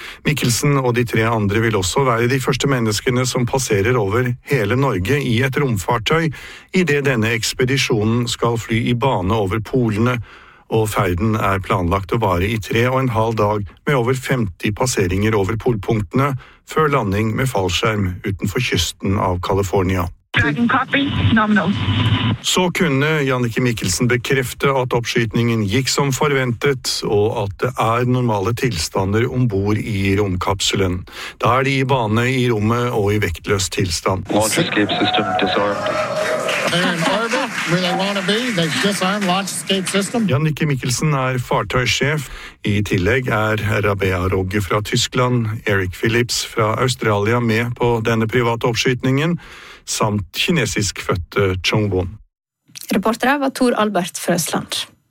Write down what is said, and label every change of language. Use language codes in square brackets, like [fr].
[no] Mikkelsen og de tre andre vil også være de første menneskene som passerer over hele Norge I et romfartøy I det denne ekspedisjonen skal fly I bane over polene, og ferden planlagt å vare I 3,5 dager med over 50 passeringer over polpunktene før landing med fallskjerm utenfor kysten av California. Så kunne Jannicke Mikkelsen bekrefte at oppskytningen gikk som forventet, og at det normale tilstander ombord I romkapselen. Da de I bane I rommet og I vektløs tilstand. [en] Launch escape system disarmed. [no] Jannicke Mikkelsen fartøysjef. I tillegg Rabea Rogge fra Tyskland, Eric Phillips fra Australia med på denne private oppskytningen, samt kinesisk fødte Chung Won. Reporter Tor Albert Frøsland.